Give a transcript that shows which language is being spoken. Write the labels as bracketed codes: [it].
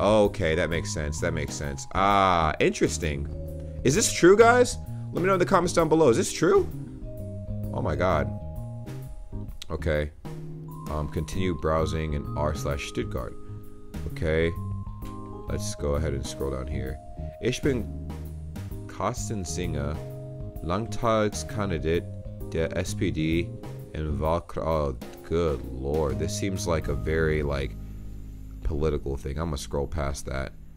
[en] Oh, okay, that makes sense. Ah, interesting. Is this true, guys? Let me know in the comments down below. Is this true? Oh my god. Okay. Continue browsing in r/Stuttgart. Okay, let's go ahead and scroll down here. [de] Ich bin Carsten Singer, Landtagskandidat der SPD in Wahlkreis. [en] Oh, good lord. This seems like a very, like, political thing. I'm gonna scroll past that.